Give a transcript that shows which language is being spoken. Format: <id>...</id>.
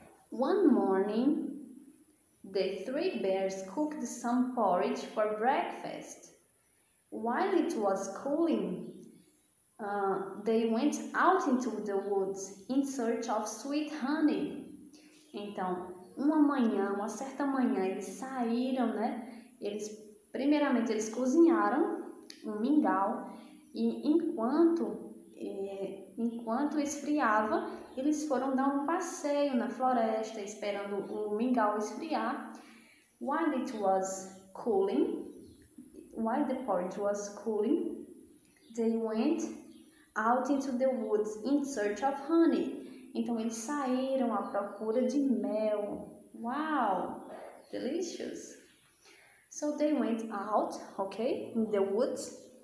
<en>One morning, the three bears cooked some porridge for breakfast. While it was cooling, they went out into the woods in search of sweet honey.</en> <pt>Então, uma certa manhã, eles saíram, né? Eles, primeiramente, eles cozinharam um mingau e enquanto esfriava, eles foram dar um passeio na floresta esperando o mingau esfriar.</pt> <en>While it was cooling, while the porridge was cooling, they went out into the woods in search of honey.</en> <pt>Então eles saíram à procura de mel.</pt> <en>Wow, delicious. So they went out, okay, in the woods.</en>